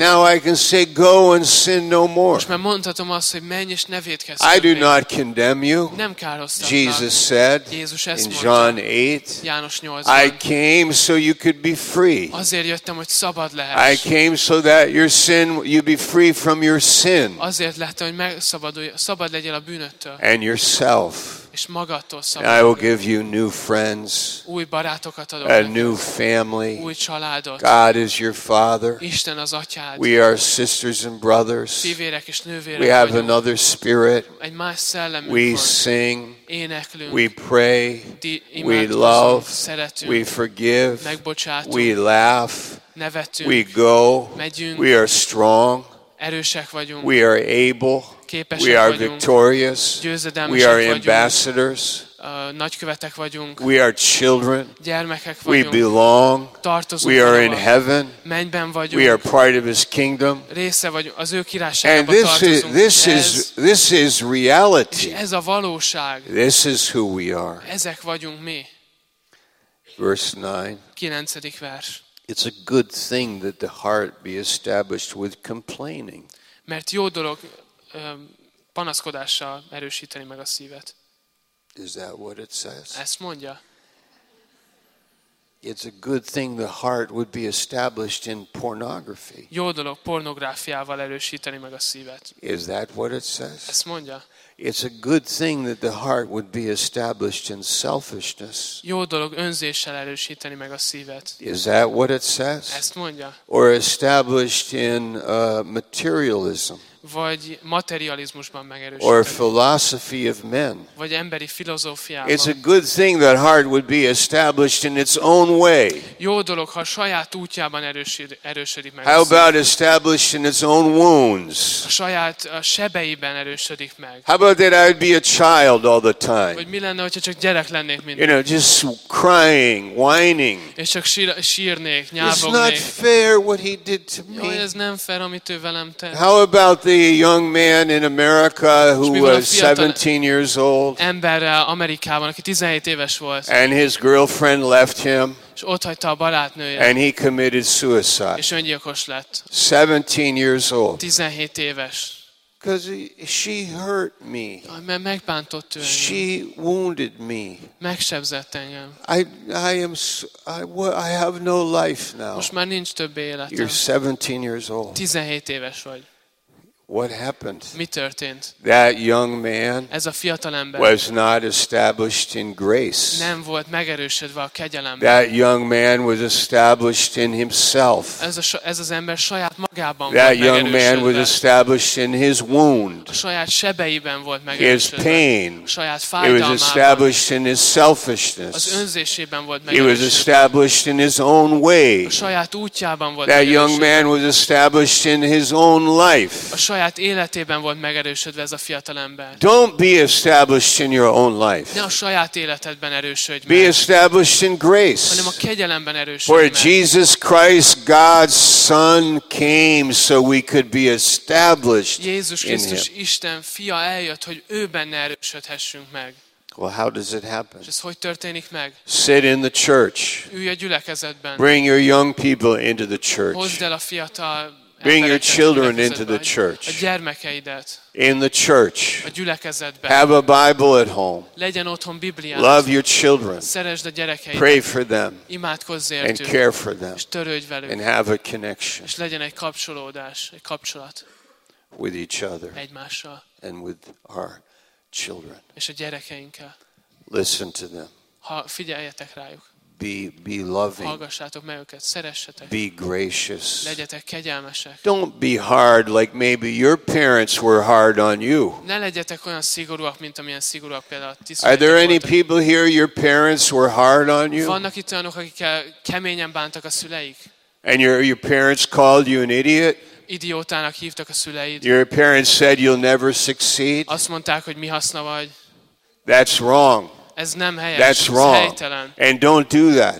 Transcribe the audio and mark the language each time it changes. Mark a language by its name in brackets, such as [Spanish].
[English] Now I can say go and sin no more. [Hungarian] Most már mondhatom azt, hogy menj és ne vétkezz. [English] I do not condemn you. [Hungarian] Nem károsztatlak. [English] Jesus said. [Hungarian] Jézus ezt mondta. [English] In John 8. [Hungarian] János 8. [English] I came so you could be free. [Hungarian] Azért jöttem, hogy szabad lehess. [English] I came so that your sin you be free from your sin. [Hungarian] Lehet, hogy szabad legyél a bűnöttől. [English] And yourself. [Hungarian] És magadtól szabad. [English] And I will give you new friends. [Hungarian] Új barátokat adok. A neked. [English] New family. [Hungarian] Új családot. [English] God is your father. [Hungarian] Isten az atyád. [English] We are sisters and brothers. [Hungarian] Fivérek és nővérek. [English] We have another spirit. [Hungarian] Egy más szellemünk. [English] We sing. [Hungarian] Éneklünk. [English] We pray. We love. [Hungarian] Szeretünk. [English] We forgive. [Hungarian] Megbocsátunk. [English] We laugh. [Hungarian] Nevetünk. [English] We go. [Hungarian] Megyünk. [English] We are strong. [Hungarian] Erősek vagyunk. [English] We are able. [Hungarian] Képesek [English] we are [Hungarian] vagyunk. [English] Victorious. [Hungarian] Győzedelmesek vagyunk. [English] We are ambassadors. [Hungarian] Nagykövetek vagyunk. [English] We are children. [Hungarian] Gyermekek [English] we [Hungarian] vagyunk. [English] Belong. [Hungarian] Tartozunk [English] we are in heaven. [Hungarian] Mennyben vagyunk. [English] We are part of his kingdom. [Hungarian] Része vagyunk. Az ő királyságába [English] and this [Hungarian] tartozunk. [English] Is, this is reality. [Hungarian] És ez a valóság. [English] This is who we are. [Hungarian] Ezek vagyunk mi. [English] Verse 9. [Hungarian] 9. vers. [English] It's a good thing that the heart be established with complaining. [Hungarian] Mert jó dolog panaszkodással erősíteni meg a szívet. [English] Is that what it says? [Hungarian] Ezt mondja. [English] It's a good thing the heart would be established in pornography. [Hungarian] Jó dolog pornográfiával erősíteni meg a szívet. [English] Is that what it says? [Hungarian] Ezt mondja. [English] It's a good thing that the heart would be established in selfishness. [Hungarian] Jó dolog önzéssel erősíteni meg a szívet. [English] Is that what it says? [Hungarian] Ezt mondja. [English] Or established in materialism. [Hungarian] Vagy materializmusban megerősíteni. [English] Or philosophy of men. [Hungarian] Vagy emberi filozófiában. [English] It's a good thing that heart would be established in its own way. [Hungarian] Jó dolog, ha saját útjában erősödik meg. [English] How about established in its own wounds? [Hungarian] Saját sebeiben erősödik meg. [English] How about that I'd be a child all the time? [Hungarian] Vagy mi lenne, hogyha csak gyerek lennék mindig? [English] You know, just crying, whining. [Hungarian] És csak sírnék, nyávognék. [English] It's not fair what he did to me. [Hungarian] Jaj, ez nem fair, amit ő velem tett. [English] How about the young man in America who was 17 years old? [Hungarian] Ember Amerikában, aki 17 éves volt. [English] And his girlfriend left him. [Hungarian] És ott hagyta a barátnőjét. [English] And he committed suicide. [Hungarian] És öngyilkos lett. [English] 17 years old. [Hungarian] 17 éves. [English] Because she hurt me. [Hungarian] Mert megbántott ő engem. [English] She wounded me. [Hungarian] Megsebzett engem. [English] I have no life now. [Hungarian] Most már nincs több életem. [English] You're 17 years old. [Hungarian] 17 éves vagy. [English] What happened? [Hungarian] Mi történt? [English] That young man [Hungarian] ez a fiatalember [English] was not established in grace. [Hungarian] Nem volt megerősödve a kegyelemben. [English] That young man was established in himself. [Hungarian] Ez az ember saját magában [English] that young man was established in his wound. [Hungarian] Saját sebeiben volt megerősödve. [English] His pain. [Hungarian] Saját fájdalmában. [English] It was established in his selfishness. [Hungarian] Az önzésében volt megerősödve. [English] It was established in his own way. [Hungarian] Saját útjában volt [English] that young man was established in his own life. [Hungarian] A saját életében volt megerősödve ez a fiatalember. [English] Don't be established in your own life. [Hungarian] Ne a saját életedben erősödj meg. [English] Be established in grace. [Hungarian] Hanem a kegyelemben erősödj [English] where [Hungarian] meg. [English] For Jesus Christ, God's Son, came so we could be established. [Hungarian] Jézus Krisztus [English] in him. [Hungarian] Isten fia eljött, hogy ő benne erősödhessünk meg. [English] Well, how does it happen? [Hungarian] És ez hogy történik meg? [English] Sit in the church. [Hungarian] Ülj a gyülekezetben. [English] Bring your young people into the church. [Hungarian] Hozd el a fiatal. [English] Bring your children into the church. [Hungarian] A gyermekeidet. [English] In the church. [Hungarian] A gyülekezetben. [English] Have a Bible at home. [Hungarian] Legyen otthon Bibliát. [English] Love your children. [Hungarian] Szeresd a gyerekeidet. [English] Pray for them. [Hungarian] Imádkozz értük. [English] And care for them. [Hungarian] És törődj velük. [English] And have a connection. [Hungarian] És legyen egy kapcsolódás, egy kapcsolat. [English] With each other. [Hungarian] Egymással. [English] And with our children. [Hungarian] És a gyerekeinkkel. [English] Listen to them. [Hungarian] Figyeljetek rájuk. [English] Be loving. [Hungarian] Hallgassátok meg őket, szeressetek. [English] Be gracious. [Hungarian] Legyetek kegyelmesek. [English] Don't be hard like maybe your parents were hard on you. [Hungarian] Ne legyetek olyan szigorúak, mint amilyen szigorúak például a tiszteletek. [English] Are there any people here your parents were hard on you? [Hungarian] Vannak itt olyanok, akik keményen bántak a szüleik? [English] And your parents called you an idiot? [Hungarian] Idiótának hívtak a szüleid. [English] Your parents said you'll never succeed? [Hungarian] Azt mondták, hogy mi haszna vagy. [English] That's wrong. [Hungarian] Ez nem helyes. [English] That's wrong. And don't do that.